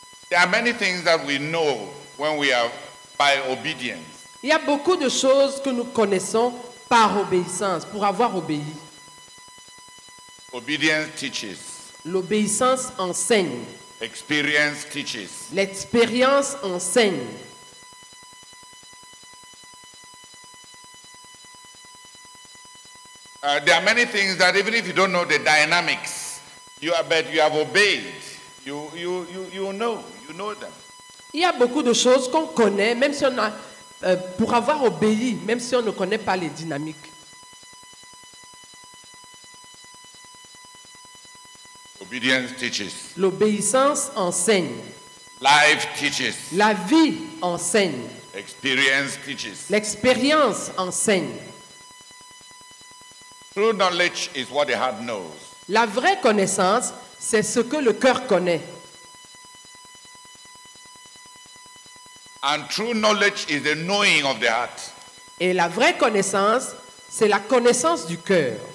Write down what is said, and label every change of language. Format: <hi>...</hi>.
<en>There are many things that we know when we are by obedience.</en> <fr>Il y a beaucoup de choses que nous connaissons par obéissance, pour avoir obéi.</fr> <en>Obedience teaches.</en> <fr>L'obéissance enseigne.</fr> <en>Experience teaches.</en> <fr>L'expérience enseigne.</fr> <en>There are many things that even if you don't know the dynamics, you have obeyed. You know them.</en> <fr>Il y a beaucoup de choses qu'on connaît, même si on a pour avoir obéi, même si on ne connaît pas les dynamiques.</fr> <en>Obedience teaches.</en> <fr>L'obéissance enseigne.</fr> <en>Life teaches.</en> <fr>La vie enseigne.</fr> <en>Experience teaches.</en> <fr>L'expérience enseigne.</fr> <en>True knowledge is what the heart knows.</en> <fr>La vraie connaissance, c'est ce que le cœur connaît.</fr> <en>And true knowledge is the knowing of the heart.</en> <fr>Et la vraie connaissance, c'est la connaissance du cœur.</fr>